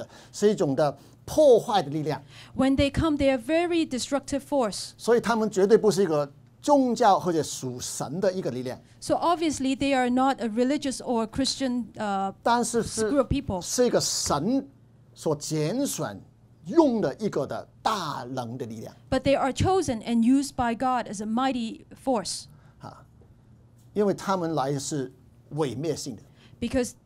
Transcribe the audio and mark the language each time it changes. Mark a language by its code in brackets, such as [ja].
[zh] 但是他们来的时候是地暗天分，就是非常的 [en] destructive [zh] 的，是一种的破坏的力量。 [en] When they come, they are very destructive force. [zh] 所以他们绝对不是一个宗教或者属神的一个力量。 [en] So obviously, they are not a religious or a Christian group of people. [zh] 是一个神所拣选。用的一个的大能的力量。 [en] But they are chosen and used by God as a mighty force. [zh] 因为他们来是毁灭性的。 [en] Because